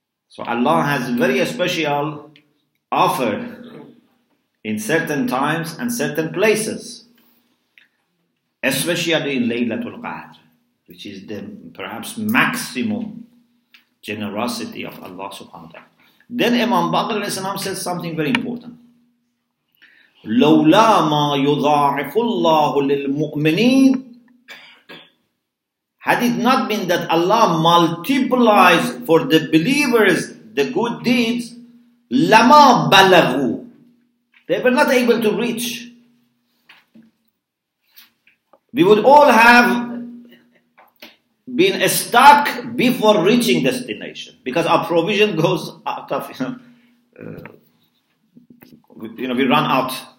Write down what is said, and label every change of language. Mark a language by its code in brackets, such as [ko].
[en] So Allah has very special offer in certain times and certain places, especially in Laylatul Qadr, which is the perhaps maximum generosity of Allah subhanahu wa ta'ala. Then Imam Baqir alayhi salam says something very important. [ar] لولا ما يضاعف الله للمؤمنين. [en] Had it not been that Allah multiplies for the believers the good deeds, lama balaghu, they were not able to reach. We would all have been stuck before reaching destination because our provision goes out of, we run out.